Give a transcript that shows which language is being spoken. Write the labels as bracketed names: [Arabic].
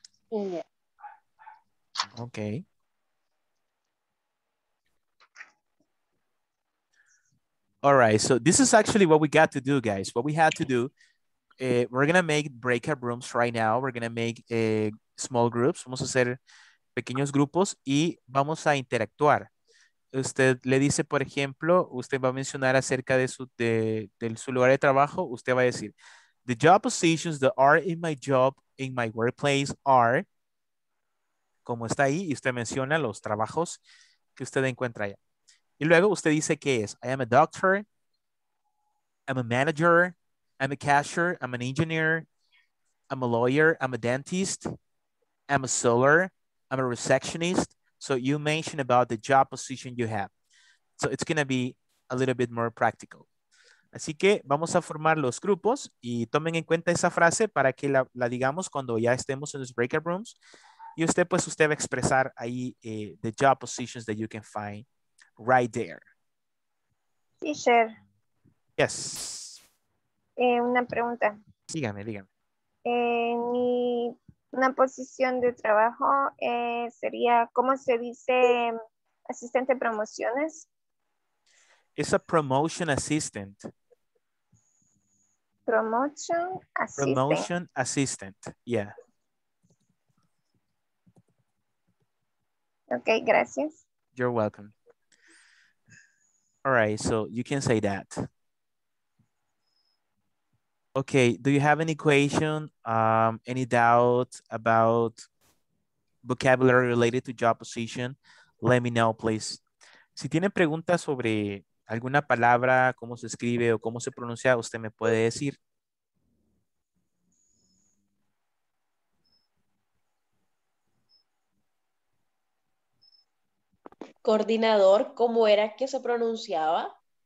[English] Yeah. Okay. All right, so this is actually what we got to do, guys. What we had to do, we're going to make breakout rooms right now. We're going to make small groups. [Spanish] Vamos a hacer pequeños grupos y vamos a interactuar. Usted le dice, por ejemplo, usted va a mencionar acerca de su, de su lugar de trabajo. Usted va a decir, [English] the job positions that are in my job, in my workplace are, [Spanish] como está ahí, y usted menciona los trabajos que usted encuentra allá. Y luego usted dice qué es. [English] I am a doctor, I'm a manager, I'm a cashier, I'm an engineer, I'm a lawyer, I'm a dentist, I'm a seller, I'm a receptionist. So you mention about the job position you have. So it's going to be a little bit more practical. [Spanish] Así que vamos a formar los grupos y tomen en cuenta esa frase para que la, digamos cuando ya estemos en los breakout rooms. Y usted, pues usted va a expresar ahí [English] the job positions that you can find. Right there. [Spanish] Sí, sir. [English] Yes. [Spanish] Una pregunta. Dígame, dígame. Mi una posición de trabajo sería, ¿cómo se dice asistente de promociones? [English] It's a promotion assistant. Promotion assistant. Promotion assistant, yeah. [Spanish] Okay, gracias. [English] You're welcome. All right, so you can say that. Okay, do you have any question, any doubt about vocabulary related to job position? Let me know, please. [Spanish] Si tiene preguntas sobre alguna palabra, cómo se escribe o cómo se pronuncia, usted me puede decir. Coordinador, ¿cómo era que se pronunciaba?